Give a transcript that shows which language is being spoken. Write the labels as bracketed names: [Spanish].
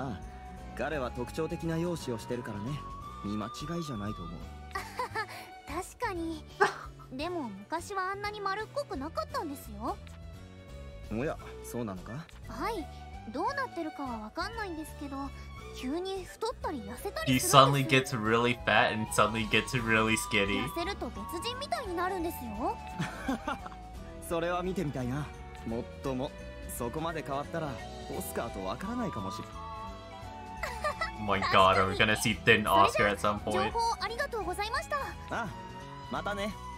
[Japanese] ああ、彼は特徴的な容姿をしてるからね、見間違いじゃないと思う。確かに。でも昔はあんなに丸っこくなかったんですよ。おや、そうなのか。はい、どうなってるかはわかんないんですけど、急に太ったり痩せたりするんです。 [English] He suddenly gets really fat and suddenly gets really skinny. [Japanese] 痩せると別人みたいになるんですよ。それは見てみたいな。もっとも、そこまで変わったらオスカーとわからないかもしれない。 [English] Oh my god, are we gonna see thin Oscar at some point? [Japanese] 情報ありがとうございました。あ、またね。